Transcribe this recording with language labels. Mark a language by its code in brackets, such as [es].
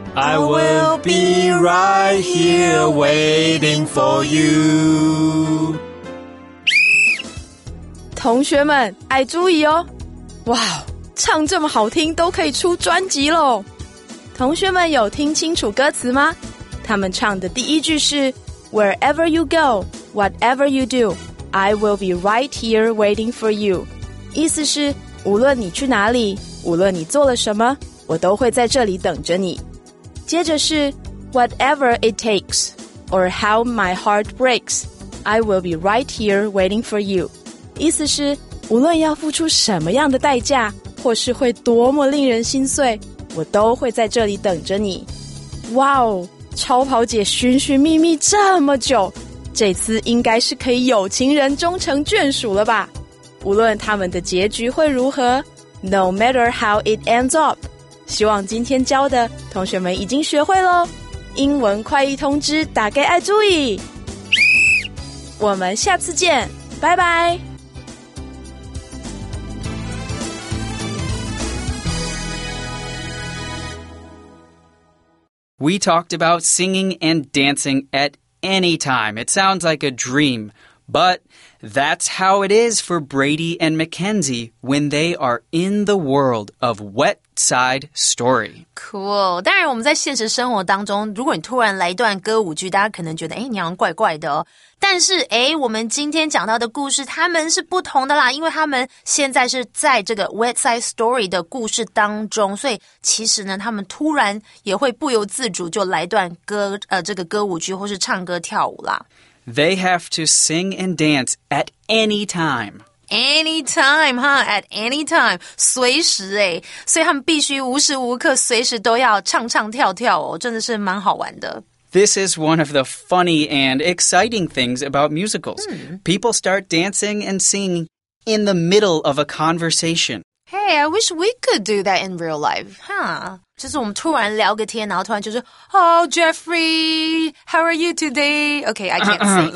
[en] I will be right here waiting for you. [zh] 同学们，爱注意哦！哇，唱这么好听都可以出专辑咯！同学们有听清楚歌词吗？他们唱的第一句是 [en] Wherever you go, whatever you do, I will be right here waiting for you. [zh] 意思是无论你去哪里，无论你做了什么，我都会在这里等着你。接着是 [en] Whatever it takes, or how my heart breaks, I will be right here waiting for you. [zh] 意思是无论要付出什么样的代价，或是会多么令人心碎，我都会在这里等着你。哇哦！超跑姐寻寻觅觅这么久，这次应该是可以有情人终成眷属了吧。无论他们的结局会如何， [en] No matter how it ends up， [zh] 希望今天教的同学们已经学会咯。英文快译通知大家爱注意，我们下次见，拜拜。 [en] We talked about singing and dancing at any time. It sounds like a dream, but that's how it is for Brady and Mackenzie when they are in the world of Wet Side Story. Cool. [zh] 当然我们在现实生活当中，如果你突然来一段歌舞剧，大家可能觉得哎，你好像怪怪的哦。但是哎，我们今天讲到的故事他们是不同的啦，因为他们现在是在这个 Wet Side Story 的故事当中，所以其实呢他们突然也会不由自主就来段歌这个歌舞剧或是唱歌跳舞啦。 [en] They have to sing and dance at any time. Any time, huh? At any time. [zh] 随时耶。所以他们必须无时无刻随时都要唱唱跳跳哦，真的是蛮好玩的。 [en] This is one of the funny and exciting things about musicals. People start dancing and singing in the middle of a conversation. Hey, I wish we could do that in real life, huh? [zh] 就是我们突然聊个天，然后突然就是 [en] Oh, Jeffrey, how are you today? Okay, I can't sing.